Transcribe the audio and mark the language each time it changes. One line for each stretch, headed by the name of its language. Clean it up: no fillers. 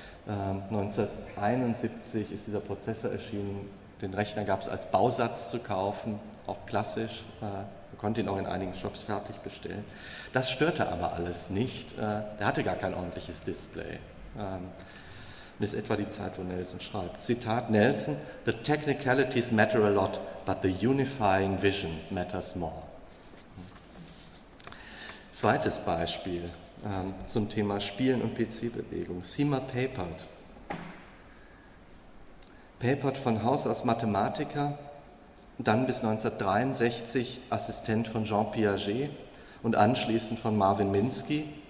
German: 1971 ist dieser Prozessor erschienen. Den Rechner gab es als Bausatz zu kaufen, auch klassisch. Man konnte ihn auch in einigen Shops fertig bestellen. Das störte aber alles nicht. Der hatte gar kein ordentliches Display. Das ist etwa die Zeit, wo Nelson schreibt. Zitat
English: Nelson, the technicalities matter a lot, but the unifying vision matters more.
German: Zweites Beispiel zum Thema Spielen und PC-Bewegung. Seema Papert. Papert von Haus aus Mathematiker, dann bis 1963 Assistent von Jean Piaget und anschließend von Marvin Minsky.